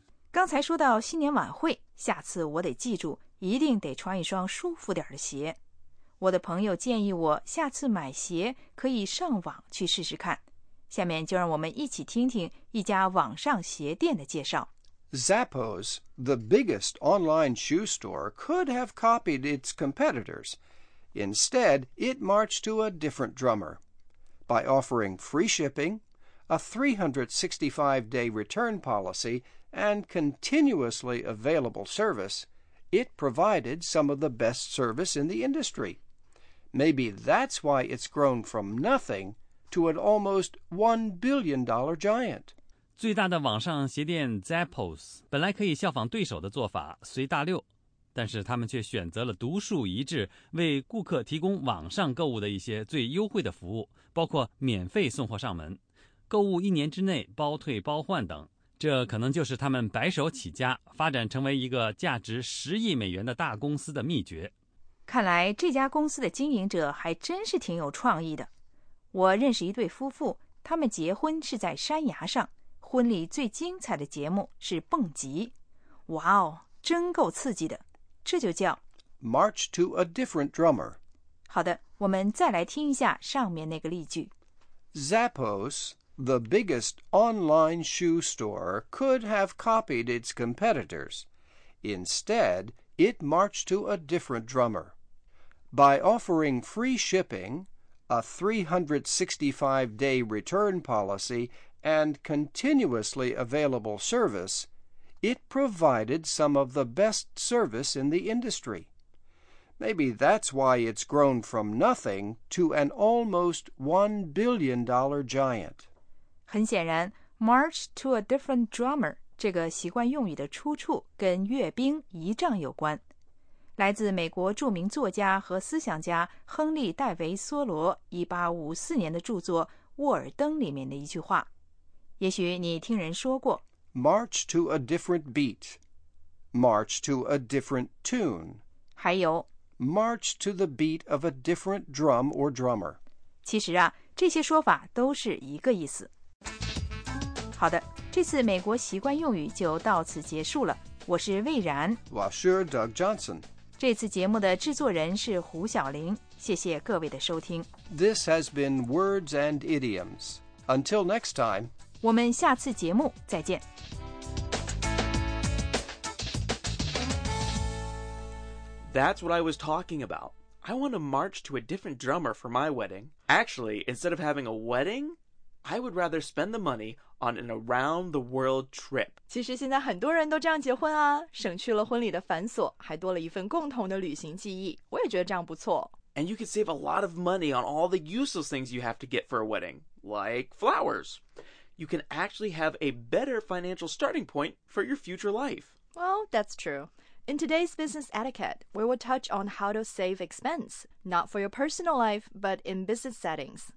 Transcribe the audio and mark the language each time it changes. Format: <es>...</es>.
<zh>刚才说到新年晚会，下次我得记住，一定得穿一双舒服点的鞋。我的朋友建议我下次买鞋可以上网去试试看。下面就让我们一起听听一家网上鞋店的介绍。</zh> <en>Zappos, the biggest online shoe store, could have copied its competitors. Instead, it marched to a different drummer. By offering free shipping, a 365-day return policy, and continuously available service, it provided some of the best service in the industry. Maybe that's why it's grown from nothing to an almost $1 billion giant.</en> <zh>最大的网上鞋店 Zappos 本来可以效仿对手的做法随大流，但是他们却选择了独树一帜，为顾客提供网上购物的一些最优惠的服务，包括免费送货上门、购物一年之内包退包换等。这可能就是他们白手起家发展成为一个价值10亿美元的大公司的秘诀。看来这家公司的经营者还真是挺有创意的。我认识一对夫妇，他们结婚是在山崖上，婚礼最精彩的节目是蹦极。哇哦，真够刺激的。这就叫</zh> <en>March to a different drummer.</en> <zh>好的，我们再来听一下上面那个例句。</zh> <en>Zappos, the biggest online shoe store, could have copied its competitors. Instead, it marched to a different drummer. By offering free shipping, a 365-day return policy,and continuously available service, it provided some of the best service in the industry. Maybe that's why it's grown from nothing to an almost $1 billion giant.</en> <zh>很显然 ,</zh> <en>March to a different drummer,</en> <zh>这个习惯用语的出处跟阅兵仪仗有关。来自美国著名作家和思想家亨利·戴维·梭罗1854年的著作《沃尔登》里面的一句话。也许你听人说过</zh> <en>March to a different beat, March to a different tune,</en> <zh>还有</zh> <en>March to the beat of a different drum or drummer.</en> <zh>其实啊，这些说法都是一个意思。好的，这次美国习惯用语就到此结束了。我是魏然，我是 Doug Johnson。这次节目的制作人是胡晓玲，谢谢各位的收听。</zh> <en>This has been Words and Idioms. Until next time,</en> <zh>我们下次节目再见。</zh> <en>That's what I was talking about. I want to march to a different drummer for my wedding. Actually, instead of having a wedding, I would rather spend the money on an around-the-world trip.</en> <zh>其实现在很多人都这样结婚啊，省去了婚礼的繁琐，还多了一份共同的旅行记忆。我也觉得这样不错。</zh> <en>And you can save a lot of money on all the useless things you have to get for a wedding, like flowers. You can actually have a better financial starting point for your future life. Well, that's true. In today's business etiquette, we will touch on how to save expense, not for your personal life, but in business settings.</en>